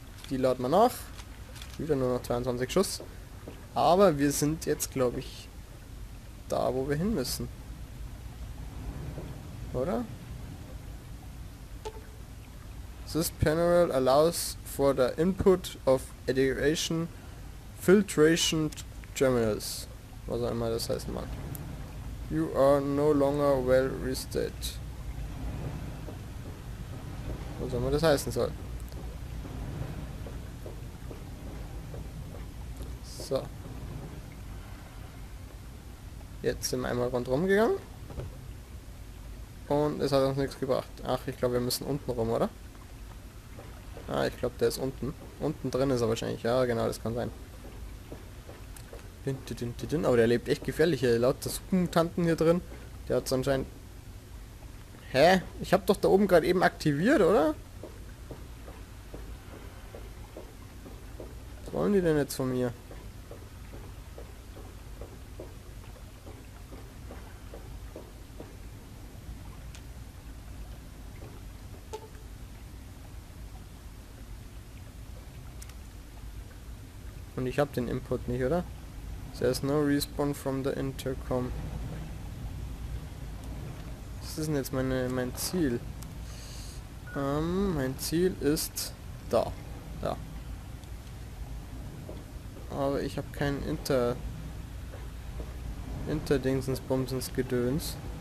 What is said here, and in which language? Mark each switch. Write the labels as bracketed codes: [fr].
[de] Die laden wir nach. Wieder nur noch 22 Schuss. Aber wir sind jetzt, glaube ich, da, wo wir hin müssen. Oder? [en] This panel allows for the input of aeration filtration terminals. [de] Was auch immer das heißen mag. [en] You are no longer well rested. [de] Was auch immer das heißen soll. So. Jetzt sind wir einmal rundherum gegangen. Und es hat uns nichts gebracht. Ach, ich glaube, wir müssen unten rum, oder? Ah, ich glaube, der ist unten. Unten drin ist er wahrscheinlich. Ja, genau, das kann sein. Aber der lebt echt gefährlich. Laut der Supermutanten hier drin. Der hat es anscheinend... Hä? Ich habe doch da oben gerade eben aktiviert, oder? Was wollen die denn jetzt von mir? Und ich habe den Input nicht, oder? [en] There's no respawn from the intercom. [de] Was ist denn jetzt mein Ziel? Mein Ziel ist da. Da. Aber ich habe keinen Inter-Dingsens-Bumsens-Gedöns.